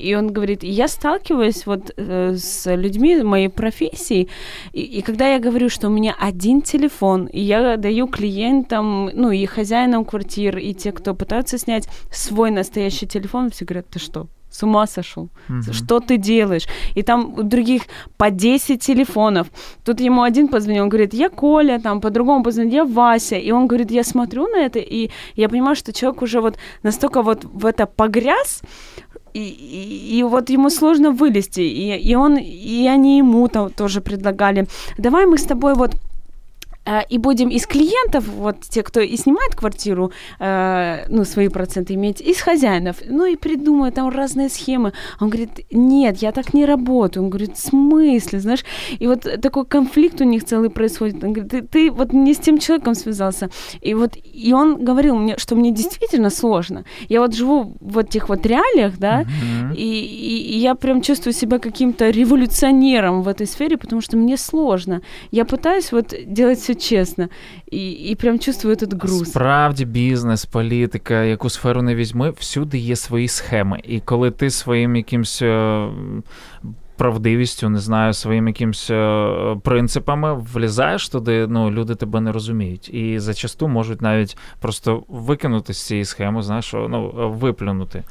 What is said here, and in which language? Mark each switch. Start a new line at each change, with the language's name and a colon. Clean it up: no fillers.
Ukrainian: І він говорить, я сталкиваюсь от з людьми моєї професії, і коли я говорю, що у мене один телефон, і я даю клієнтам, ну, і хазяїнам квартир, і те, хто пытаються зняти свій настоящий телефон, всі говорять, ти що?
Russian: С ума сошел. Что ты делаешь? И там у других по 10 телефонов. Тут ему один позвонил, он говорит, я Коля, там по-другому позвонил, я Вася. И он говорит, я смотрю на это, и я понимаю, что человек уже вот настолько вот в это погряз, и вот ему сложно вылезти. И он, и они ему там тоже предлагали, давай мы с тобой вот и будем из клиентов, вот те, кто и снимает квартиру, ну, свои проценты иметь, из хозяинов, ну, и придумывают там разные схемы. Он говорит, нет, я так не работаю. Он говорит, в смысле, знаешь? И вот такой конфликт у них целый происходит. Он говорит, ты вот не с тем человеком связался. И вот, и он говорил мне, что мне действительно сложно. Я вот живу в этих вот реалиях, да, и я прям чувствую себя каким-то революционером в этой сфере, потому что мне сложно. Я пытаюсь вот делать все чесно. І прям чувствую этот груз.
Ukrainian: Справді, бізнес, політика, яку сферу не візьми, всюди є свої схеми. І коли ти своїм якимсь правдивістю, не знаю, своїм якимсь принципами влізаєш туди, ну, люди тебе не розуміють. І зачасту можуть навіть просто викинути з цієї схеми, знаєш, ну, виплюнути.